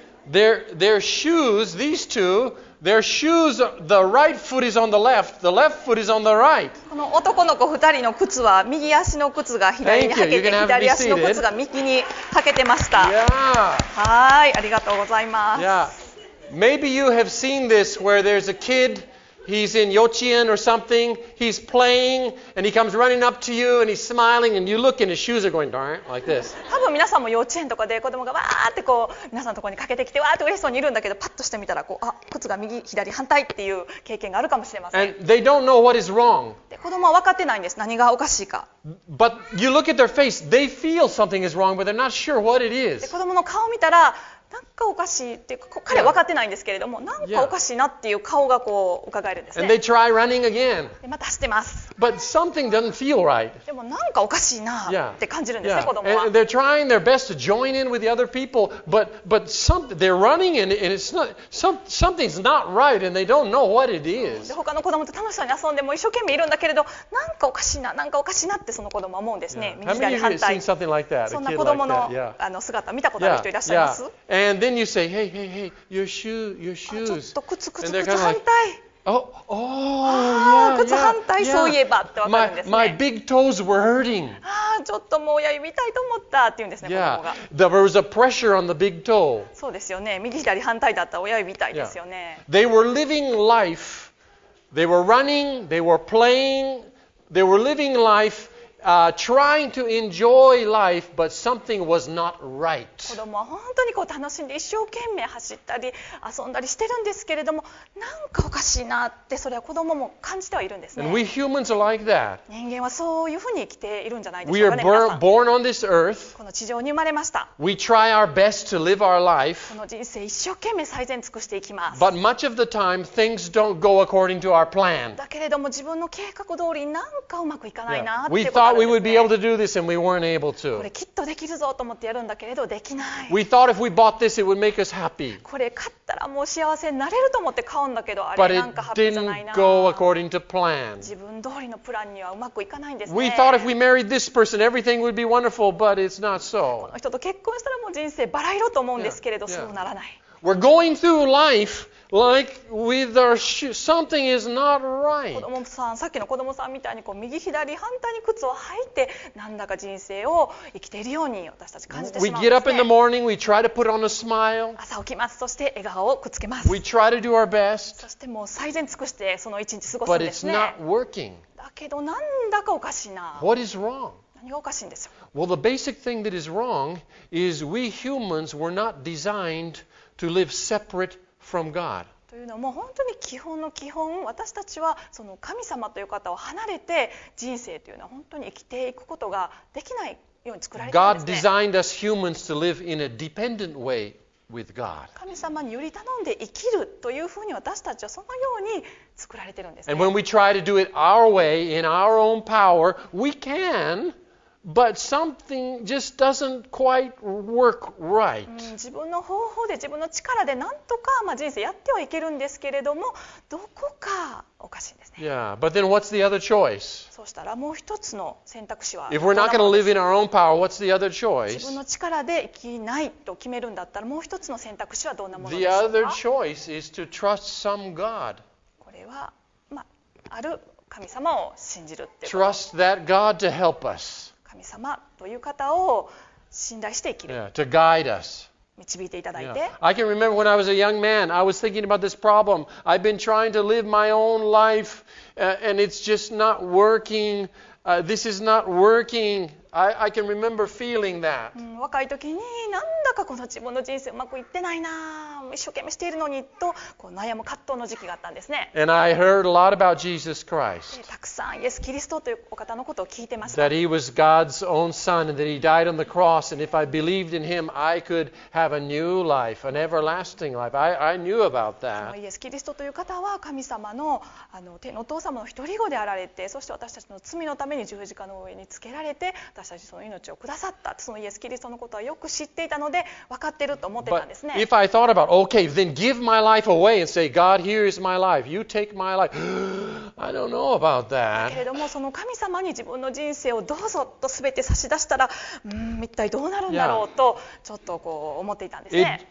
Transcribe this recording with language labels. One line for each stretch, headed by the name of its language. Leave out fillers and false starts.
English: Their shoes. These two. Their shoes. The right foot is on the left. The left foot is on the right.
Japanese: この男の子2人の靴は右足の靴が左に履けて、左足の靴が右に履けてました。
English: Yeah.
Japanese: はい、ありがとうございます。
English: Yeah. Maybe you have seen this where there's a kid, he's in yochien or something, he's playing, and he comes running up to you, and he's smiling, and you look, and his shoes are going, darn, like this.
Japanese: 多分皆さんも幼稚園とかで子供がわーってこう、皆さんのところにかけてきて、わーって嬉しそうにいるんだけど、パッとしてみたらこう、あ、靴が右、左、反対っていう経験があるかもしれません。
English: And they don't know what is wrong.
Japanese: で、子供は分かってないんです。何がおかしいか。
English: But you look at their face, they feel something is wrong, but they're not sure what it is.
Japanese: で、子供の顔を見たら、なんかおかしいっていうか、彼は分かってないんですけれども、なんかおかしいなっていう顔がこう伺えるんですね。
English: And they try running again.
Japanese: で、また走ってます。
English: But something doesn't feel right.
Japanese: でもなんかおかしいなって感じるんですね、子供は。
English: And they're trying their best to join in with the other people, but something, they're running and it's not, something's not right and they don't know what it is.
Japanese: で、他の子供と楽しそうに遊んでも一生懸命いるんだけれど、なんかおかしいな、なんかおかしいなってその子供は思うんですね。
English: How many of you have seen something like that?
Japanese: そんな子供の、あの姿見たことある人いらっしゃいます？
English: And then you say, hey, hey, hey, your shoes.
Japanese: ちょっと靴、靴、靴、反対。
English: Oh, oh, yeah,
Japanese: 靴反対、そういえばって分かるんですね。
English: My big toes were hurting.
Japanese: ちょっともう親指痛いと思ったって言うんですね、
English: yeah.
Japanese: 子供が。
English: There was a pressure on the big toe.
Japanese: そうですよね。右左反対だったら親指痛いですよね。
English: Yeah. They were living life. They were running. They were playing. They were living life. Trying to enjoy life, but something was not right.
Japanese: 子供は本当にこう楽しんで一生懸命走ったり遊んだりしてるんですけれども、なんかおかしいなってそれは子供も感じてはいるんですね。
English: And we humans are like that.
Japanese: 人間はそういうふうに生きているんじゃないでしょうかね、皆さん。
English: We are born on this earth.
Japanese: この地上に生まれました。
English: We try our best to live our life.
Japanese: この人生一生懸命最善尽くしていきます。
English: But much of the time, things don't go according to our plan.
Japanese: だけれども自分の計画通りなんかうまくいかないなってことがあるんですね。
English: We would be able to do this and we weren't able to.
Japanese: これきっとできるぞと思ってやるんだけれどできない。
English: We thought if we bought this, it would make us happy.
Japanese: これ買ったらもう幸せになれると思って買うんだけど、あれなんかハッピーじゃないな。
English: But it didn't go according to plan.
Japanese: 自分通りのプランにはうまくいかないんですね。
English: We thought if we married this person, everything would be wonderful, but it's not so.
Japanese: この人と結婚したらもう人生バラ色と思うんですけれど、そうならない。
English: We're going through life like with our shoes. Something is not right.
Japanese: 子供さん、さっきの子供さんみたいにこう右左反対に靴を履いて、なんだか人生を生きているように私たち感じてしまうんですね。
English: We get up in the morning, we try to put on a smile.
Japanese: 朝起きます。そして笑顔をくっつけます。
English: We try to do our best.
Japanese: そしてもう最善尽くしてその一日過ごすんですね。
English: But it's not working.
Japanese: だけどなんだかおかしいな。
English: What is wrong?
Japanese: 何がおかしいんですよ。
English: Well, the basic thing that is wrong is we humans were not designed to live separate from God.
Japanese: というのも本当に基本の基本、私たちはその神様という方を離れて人生というのは本当に生きていくことができないように作られているんですね。
English: God designed us humans to live in a dependent way with God.
Japanese: 神様により頼んで生きるというふうに私たちはそのように作られているんですね。
English: And when we try to do it our way in our own power, we can. But something just doesn't quite work right.
Japanese: 自分の方法で自分の力でなんとか、まあ、人生やってはいけるんですけれどもどこかおかしいんですね。
English: Yeah, but then what's the other choice?
Japanese: そうしたらもう一つの選択肢は
English: If we're not going to live in our own power, what's the other choice?
Japanese: 自分の力で生きないと決めるんだったらもう一つの選択肢はどんなものでしょうか?
English: The other choice is to trust some God.
Japanese: これは、まあ、ある神様を信じるっていうこと。
English: Trust that God to help us.
Japanese: 神様という方を信頼して生きる。
English: Yeah, to guide us.
Japanese: 導いていただいて。
English: Yeah. I can remember when I was a young man, I was thinking about this problem. I've been trying to live my own life, and it's just not working. This is not working. I can remember feeling that.
Japanese: 若い時になんだかこの自分の人生うまくいってないな、一生懸命しているのにとこう悩む葛藤の時期があったんですね。
English: And I heard a lot about Jesus Christ.
Japanese: たくさんイエス・キリストというお方のことを聞いてました。
English: That he was God's own son and that he died on the cross and if I believed in him I could have a new life, an everlasting life. I knew about that.
Japanese: そのイエス・キリストという方は神様の、あの天のお父様の一人子であられて、そして私たちの罪のために十字架の上につけられて私たちその命をくださった、そのイエス・キリストのことはよく知っていたので分かっていると思ってたんですね。
English: But if I thought about okay, then give my life away and say, God, here is my life. You take my life. I don't know about that.
Japanese: けれどもその神様に自分の人生をどうぞと全て差し出したら、一体どうなるんだろうとちょっとこう思っていたんですね。